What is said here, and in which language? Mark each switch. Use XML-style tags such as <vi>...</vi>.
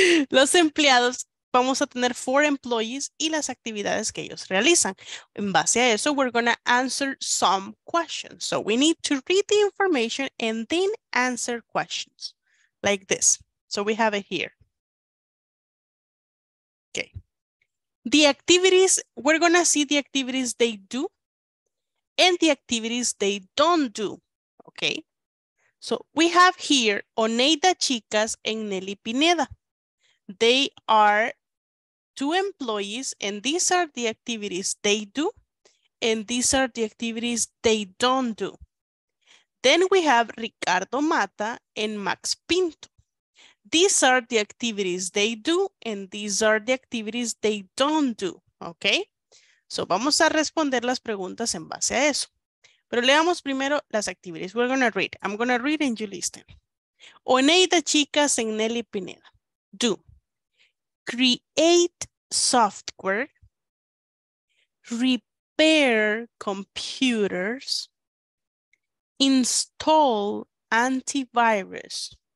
<es>Los empleados, vamos a tener</es> <en>four employees</en> <es>y las actividades que ellos realizan. En base a eso,</es> <en>we're going to answer some questions. So we need to read the information and then answer questions like this. So we have it here. Okay. The activities, we're gonna see the activities they do and the activities they don't do, okay? So we have here Oneida Chicas and Nelly Pineda. They are two employees and these are the activities they do and these are the activities they don't do. Then we have Ricardo Mata and Max Pinto. These are the activities they do and these are the activities they don't do, okay?</en> <es>So vamos a responder las preguntas en base a eso. Pero leamos primero las</es> <en>activities. We're gonna read. I'm gonna read and you listen. Oneida Chicas and Nelly Pineda do create software, repair computers, install antivirus.</en>